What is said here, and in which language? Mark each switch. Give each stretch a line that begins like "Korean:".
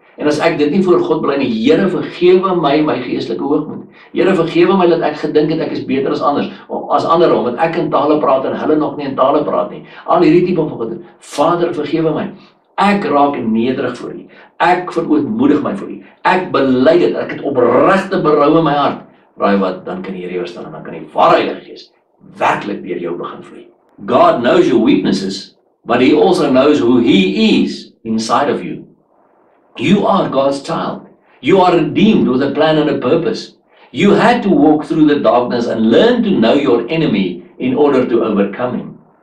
Afrikaans: En as ek dit nie voor God bely nie, Here vergewe my my geestelike hoogmoed. Here vergewe my dat ek gedink het ek is beter as anders, as ander, omdat ek in tale praat en hulle nog nie in tale praat nie. Al hierdie tipe van goeie. Vader vergewe my. Ek raak nederig voor U. Ek verootmoedig my voor U. Ek bely dit. Ek het opregte berou in my hart. Raai wat, dan kan die Here jou stel en dan kan die ware Heilige Gees werklik deur jou begin vloei.
English: God knows your weaknesses, but He also knows who He is inside of you. You are God's child. You are redeemed with a plan and a purpose. You had to walk through the darkness and learn to know your enemy in order to overcome him.